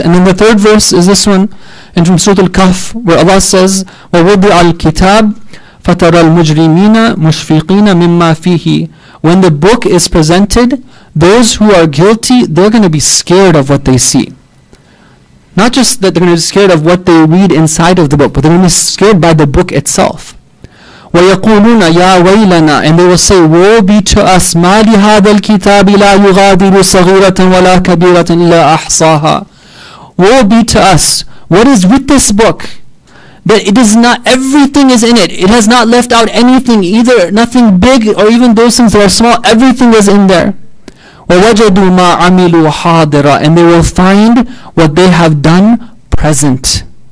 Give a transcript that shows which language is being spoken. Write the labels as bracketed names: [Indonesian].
[English] And then the third verse is this one, and from Surah Al-Kahf, where Allah says, [Arabic] وَوَضِعَ الْكِتَابِ فَتَرَى الْمُجْرِمِينَ مُشْفِقِينَ مِمَّا فِيهِ. [English] When the book is presented, those who are guilty, they're going to be scared of what they see. Not just that they're going to be scared of what they read inside of the book, but they're going to be scared by the book itself. [Arabic] وَيَقُولُونَ يَا وَيْلَنَا. [English] And they will say, woe be to us, [Arabic] مَا لِهَذَا الْكِتَابِ لَا يُغَادِرُ صَغِيرَةً وَلَا كَبِيرَةً إِلَّا أَحْصَاهَا. [English] Woe be to us. What is with this book? That it is not, everything is in it. It has not left out anything either, nothing big or even those things that are small. Everything is in there. [Arabic] وَوَجَدُوا مَا عَمِلُوا حَاضِرًا. [English] And they will find what they have done present.